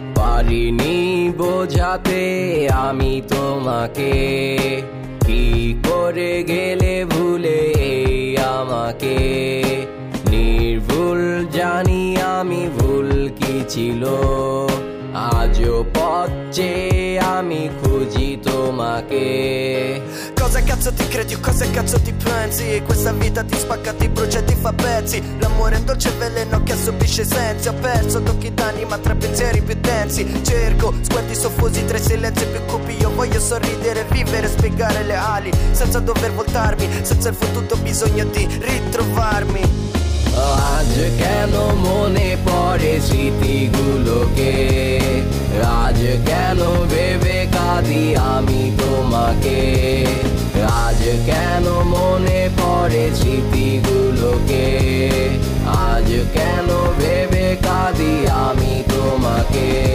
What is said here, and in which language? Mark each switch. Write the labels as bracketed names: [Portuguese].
[Bangla] পারিনি বোঝাতে আমি তোমাকে, কি করে গেলে ভুলে আমাকে, নির্ভুল জানি আমি ভুল কি ছিল, আজও পথে আমি খুঁজি তোমাকে। [Italian] Cosa cazzo ti credi o cosa cazzo ti pensi? Questa vita ti spacca, ti brucia, ti fa pezzi. L'amore è un dolce veleno che assorbisce i sensi. Ho perso tocchi d'anima tra pensieri più densi. Cerco sguardi soffusi tra i silenzi più cupi. Io voglio sorridere, vivere, spiegare le ali, senza dover voltarmi, senza il fottuto bisogno di ritrovarmi. [Bangla] আজ কেন মনে পড়ে স্মৃতিগুলোকে, আজ কেন ভেবে কাঁদি আমি তোমাকে, আজ কেন মনে পড়ে স্মৃতিগুলোকে, আজ কেন ভেবে কাঁদি আমি তোমাকে।